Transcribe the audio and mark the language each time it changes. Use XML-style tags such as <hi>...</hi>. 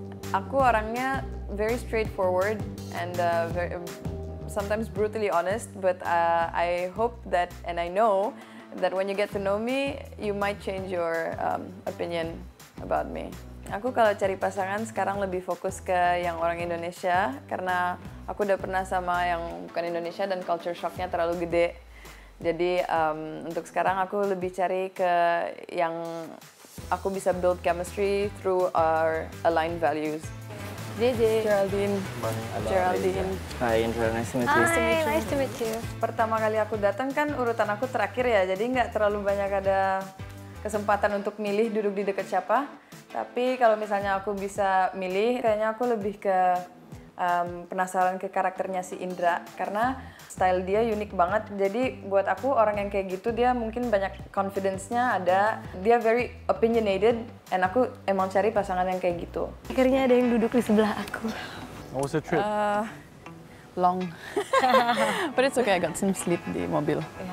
<id>Aku orangnya</id> <en>very straightforward and very, sometimes brutally honest, but I hope that and I know that when you get to know me, you might change your opinion about me.</en> <id>Aku kalau cari pasangan sekarang lebih fokus ke yang orang Indonesia, karena aku udah pernah sama yang bukan Indonesia dan culture shocknya terlalu gede. Jadi untuk sekarang aku lebih cari ke yang aku bisa</id> <en>build chemistry through our aligned values. JJ. Geraldine. Geraldine. Hi, Indra. Nice to meet you. Hi, nice to meet you.</en> <id>Pertama kali aku datang kan urutan aku terakhir ya, jadi nggak terlalu banyak ada kesempatan untuk milih duduk di dekat siapa. Tapi kalau misalnya aku bisa milih, kayaknya aku lebih ke penasaran ke karakternya si Indra, karena style dia unik banget. Jadi buat aku orang yang kayak gitu dia mungkin banyak confidence-nya ada. Dia</id> <en>very opinionated and</en> <id>aku emang cari pasangan yang kayak gitu. Akhirnya ada yang duduk di sebelah aku.</id> <en>How was the trip? Long. But it's okay, I got some sleep</en> <id>di mobil.</id>